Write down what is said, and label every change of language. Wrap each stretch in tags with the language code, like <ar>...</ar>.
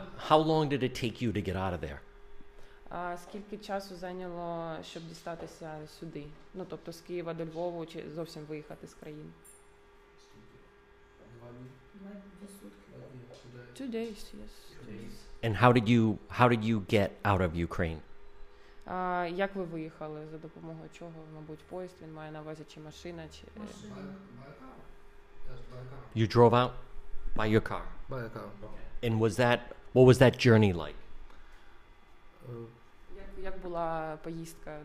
<en>How long did it take you to get out of there?</en> <uk>Скільки часу зайняло, щоб дістатися сюди? Ну, тобто з Києва до Львова чи зовсім виїхати з країни?</uk> <en>2 days, yes. And how did you get out of Ukraine?</en> <uk>Як ви виїхали? За допомогою чого? Мабуть, поїзд, він має на увазі, чи машина, чи...</uk> <en>You drove out by your car? By a car. Okay. And what was that journey like?</en> <uk>Як була поїздка?</uk>